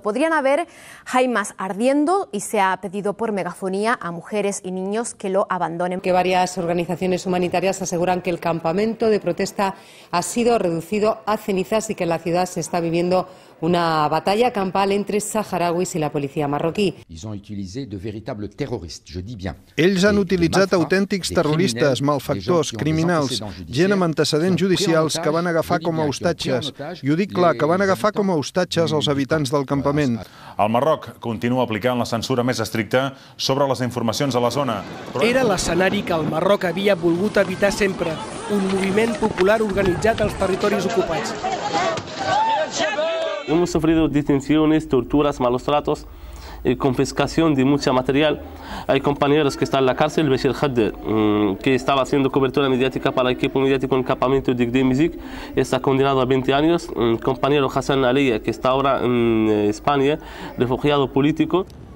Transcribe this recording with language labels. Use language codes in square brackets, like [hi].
[es] Podrían haber jaimas ardiendo y se ha pedido por megafonía a mujeres y niños que lo abandonen. Que varias organizaciones humanitarias aseguran que el campamento de protesta ha sido reducido a cenizas y que en la ciudad se está viviendo una batalla campal entre saharauis y la policía marroquí. [fr] Ils ont utilisé de véritables terroristes, je dis bien. [ca] Ells han utilitzat autèntics terroristes, malfactors, criminals, gent amb antecedents judicials que van agafar com a hostatges. I ho dic clar, que van agafar com a hostatges els habitants del campament. El Marroc continua aplicant la censura més estricta sobre les informacions a la zona. Era l'escenari que el Marroc havia volgut evitar sempre, un moviment popular organitzat als territoris ocupats. [es] Hemos sufrido detenciones, torturas, malos tratos, confiscación de mucho material. Hay compañeros que están en la cárcel, Bashir Khader, que estaba haciendo cobertura mediática para el equipo mediático en el campamento de Gdemizik, está condenado a 20 años. Compañero Hassan Aliya, que está ahora en España, refugiado político.